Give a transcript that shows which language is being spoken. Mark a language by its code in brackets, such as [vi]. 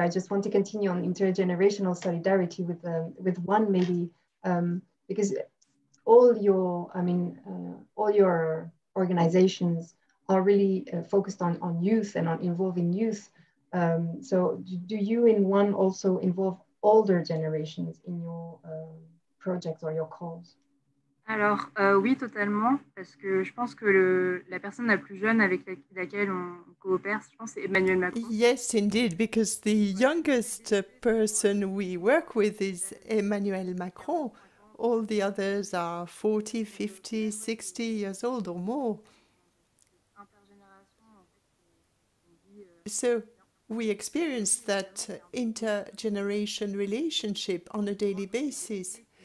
[en] I just want to continue on intergenerational solidarity with one maybe, because all your organizations are really focused on youth and on involving youth. So do you in one also involve older generations in your projects or your calls? [fr] Alors, oui, totalement, parce que je pense que la personne la plus jeune avec laquelle on coopère, je pense, c'est Emmanuel Macron. [en] Yes, indeed, because the youngest person we work with is Emmanuel Macron. All the others are 40, 50, 60 years old or more. So we experience that intergeneration relationship on a daily basis.